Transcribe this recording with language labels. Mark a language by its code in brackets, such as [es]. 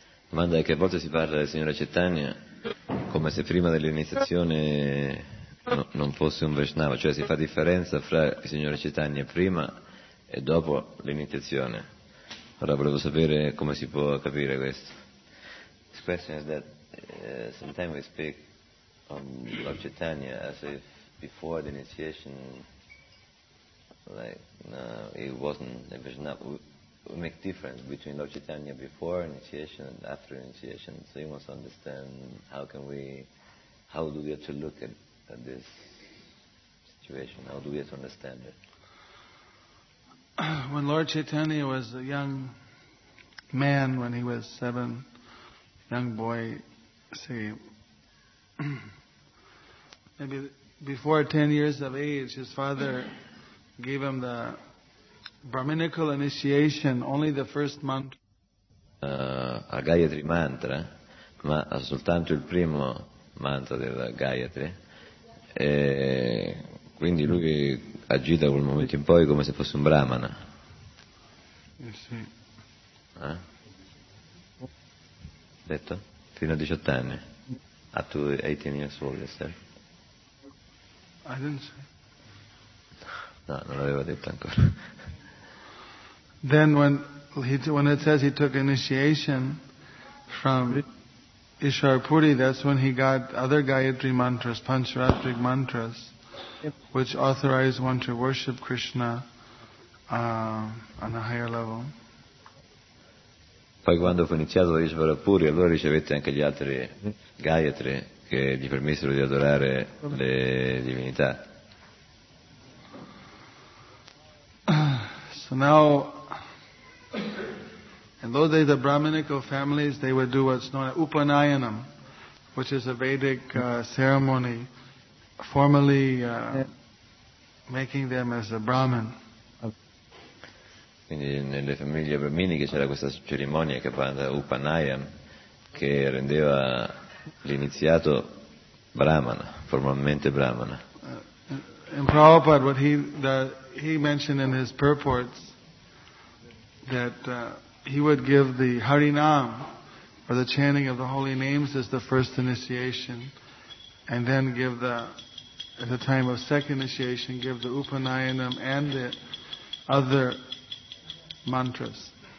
[it] La domanda è che a volte si parla del signora Chaitanya come se prima dell'iniziazione non fosse un Vaishnava, cioè si fa differenza fra il signora Chaitanya prima e dopo l'iniziazione. Allora volevo sapere come si può capire questo. [en] This question is that sometimes we speak of Chaitanya as if before the initiation, like no, it wasn't a Vaishnava. We make difference between Lord Chaitanya before initiation and after initiation, so you must understand how do we have to look at this situation, how do we have to understand it. When Lord Chaitanya was a young man, when he was seven, young boy, say, maybe before 10 years of age, his father gave him the Brahminical initiation only the first mantra. [it] A Gayatri mantra, ma soltanto il primo mantra della Gayatri. E quindi lui agì da quel momento in poi come se fosse un brahmana. Sì. Detto? Fino a 18 anni. [en] Up to 18 years old, yes, sir. I didn't say. [it] No, non l'aveva detto ancora. [en] Then when it says he took initiation from Isharpuri, that's when he got other Gayatri mantras, Pancharatrik mantras, which authorize one to worship Krishna on a higher level. [it] Poi quando fu iniziato da Isharpuri, allora ricevette anche gli altri Gayatri che gli permisero di adorare le divinità. [en] So now, in those days, the Brahminical families, they would do what's known as Upanayanam, which is a Vedic ceremony, formally making them as a Brahmin. [it] Quindi nelle famiglie brahminiche c'era questa cerimonia che chiamata Upanayam, che rendeva l'iniziato Brahmana, formalmente Brahmana. [en] In Prabhupada, what he mentioned in his purports, that he would give the Harinam, or the chanting of the holy names, as the first initiation, and then give the, at the time of second initiation, give the Upanayanam and the other mantras.